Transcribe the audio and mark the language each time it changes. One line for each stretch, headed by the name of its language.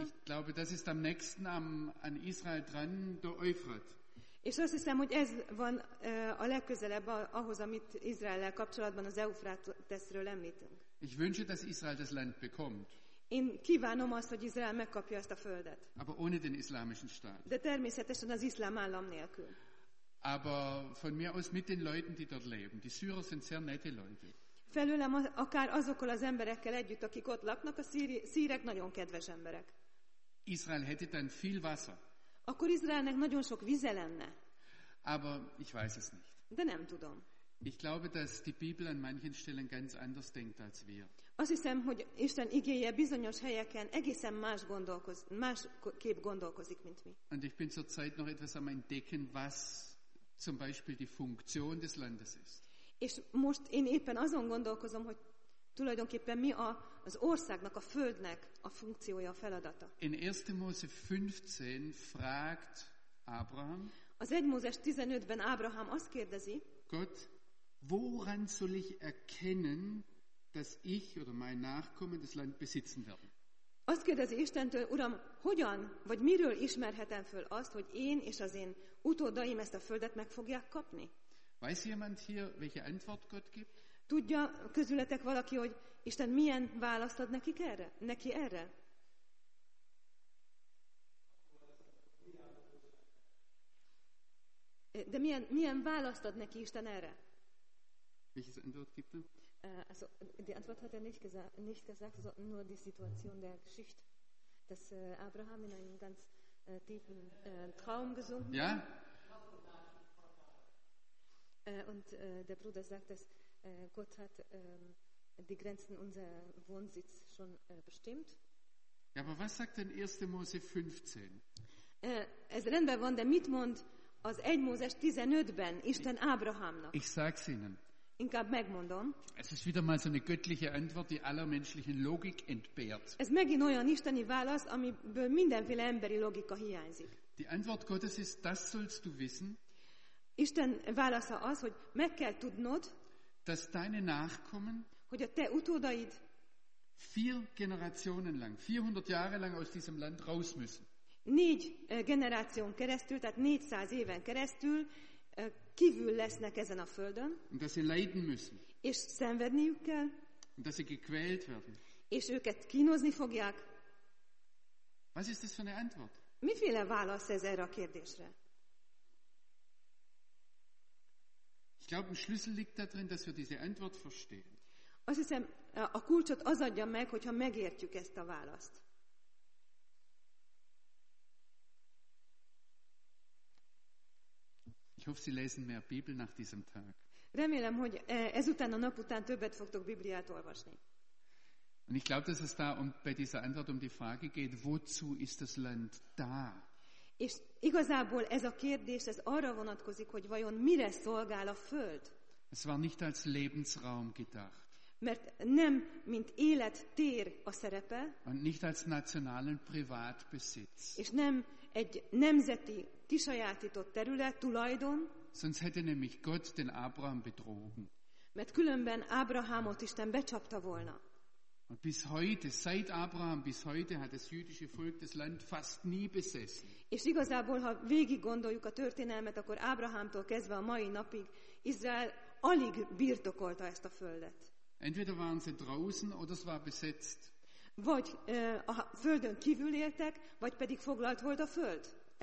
German: Ich glaube, das ist am nächsten an Israel dran, der Euphrat.
Hungarian: És azt hiszem, hogy ez van a legközelebb ahhoz, amit Izraellel kapcsolatban az Eufrateszről említünk.
German: Ich wünsche, dass Israel das Land bekommt.
Hungarian: Én kívánom azt, hogy Izrael megkapja ezt a földet.
German: Aber ohne den islamischen Staat.
Hungarian: De természetesen az iszlám állam nélkül.
German: Aber von mir aus mit den Leuten, die dort leben. Die Syrer sind sehr nette Leute.
Hungarian: Felőlem akár azokkal az emberekkel együtt, akik ott laknak, a szírek nagyon kedves emberek.
German: Israel hätte dann viel Wasser.
Hungarian: Akkor Izraelnek nagyon sok vize lenne.
German: Aber ich weiß es nicht.
Hungarian: De nem tudom.
German: Ich glaube, dass die Bibel an manchen Stellen ganz anders denkt als wir.
Hungarian: Azt hiszem, hogy Isten igéje bizonyos helyeken egészen másképp gondolkozik, mint mi.
German: Und ich bin zurzeit noch etwas am Entdecken, was zum Beispiel die Funktion des Landes ist.
Hungarian: És most én éppen azon gondolkozom, hogy Tulajdonképpen mi az országnak, a földnek a funkciója, a feladata.
German: In 1. Mose 15 fragt Abraham.
Hungarian: Az 1. Mózes 15-ben Abraham azt kérdezi:
German: Gott, woran soll ich erkennen, dass ich oder mein Nachkommen das Land besitzen werden?
Hungarian: Azt kérdezi Istentől: Uram, hogyan vagy miről ismerhetem föl azt, hogy én és az én utódaim ezt a földet meg fogják kapni?
German: Weiß jemand hier, welche Antwort Gott gibt?
Hungarian: Tudja közületek valaki, hogy Isten milyen választ ad nekik erre? Neki erre? De milyen választ ad neki Isten erre?
German: Welches Antwort gibt er? Also, die Antwort hat nicht gesagt, nur die Situation der Geschichte, dass Abraham in einen ganz tiefen Traum gesunken. Ja. Und der Bruder sagt, dass Gott hat die Grenzen unserer Wohnsitz schon bestimmt. Ja, aber was sagt denn 1. Mose 15?
Hungarian: Es rendben van, de mit mond az 1. Mózes 15-ben Isten Abrahamnak?
German: Ich sag's Ihnen.
Hungarian: Inkább megmondom.
German: Es ist wieder mal so eine göttliche Antwort, die aller menschlichen Logik entbehrt.
Hungarian: Ez megint olyan isteni válasz, amiből mindenféle emberi logika hiányzik.
German: Die Antwort Gottes ist, das sollst du wissen.
Hungarian: Isten válasza az, hogy meg kell tudnod,
German: dass deine Nachkommen,
Hungarian: hogy a te utódaid,
German: 400 Jahre lang aus diesem Land raus müssen.
Hungarian: 4 generáción keresztül, tehát 400 éven keresztül kívül lesznek ezen a földön.
German: Und dass sie leiden müssen.
Hungarian: És szenvedniük kell.
German: Und dass sie gequält werden.
Hungarian: És őket kínozni fogják.
German: Was ist das für eine Antwort?
Hungarian: Miféle válasz ez erre a kérdésre?
German: Ich glaube, ein Schlüssel liegt darin, dass wir diese Antwort verstehen.
Hungarian: Azt hiszem, a kulcsot az adja meg, hogyha megértjük ezt a választ.
German: Ich hoffe, Sie lesen mehr Bibel nach diesem Tag.
Hungarian: Remélem, hogy ezután a nap után többet fogtok Bibliát olvasni.
German: Und ich glaube, dass es da bei dieser Antwort die Frage geht, wozu ist das Land da?
Hungarian: És igazából ez a kérdés, ez arra vonatkozik, hogy vajon mire szolgál a föld?
German: Es war nicht als Lebensraum gedacht.
Hungarian: Mert nem mint élettér a szerepe.
German: Und nicht als nationalen Privatbesitz.
Hungarian: És nem egy nemzeti kisajátított terület, tulajdon.
German: Sonst hätte nämlich Gott den Abraham betrogen.
Hungarian: Mert különben Abrahamot Isten becsapta volna.
German: Und bis heute, seit Abraham, bis heute hat das jüdische Volk das Land fast nie besessen.
Hungarian: És igazából, ha végig gondoljuk a történelmet, akkor Ábrahámtól kezdve a mai napig Izrael alig birtokolta ezt a földet.
German: Entweder waren sie draußen oder es war besetzt.
Hungarian: Vagy a földön kívül éltek, vagy pedig foglalt volt a föld.